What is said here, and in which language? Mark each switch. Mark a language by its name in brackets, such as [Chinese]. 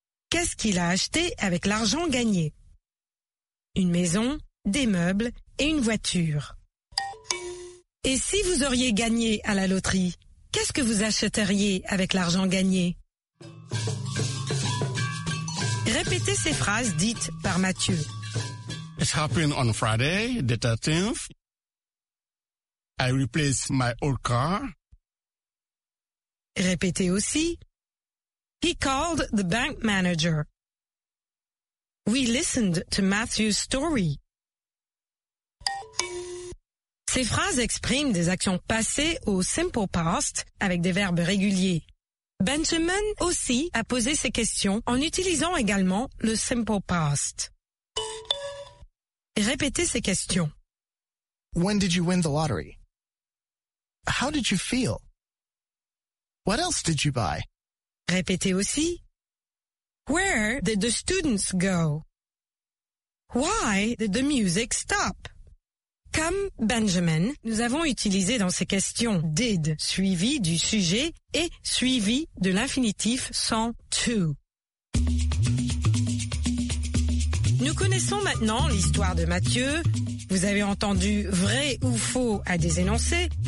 [French] Qu'est-ce qu'il a acheté avec l'argent gagné? Une maison, des meubles et une voiture. Et si vous auriez gagné à la loterie, qu'est-ce que vous achèteriez avec l'argent gagné? Répétez ces phrases dites par Mathieu. [English] It happened on Friday, the 13th. I replaced my old car. [French] Répétez aussi. [English] He called the bank manager. We listened to Matthew's story. [French] Ces phrases expriment des actions passées au simple past avec des verbes réguliers. Benjamin aussi a posé ces questions en utilisant également le simple past. Répétez ces questions. [English] When did you win the lottery? How did you feel? What else did you buy? [French] Répétez aussi. [English] Where did the students go? Why did the music stop? [French] Comme Benjamin, nous avons utilisé dans ces questions did suivi du sujet et suivi de l'infinitif sans to. Nous connaissons maintenant l'histoire de Mathieu. Vous avez entendu vrai ou faux à des énoncés.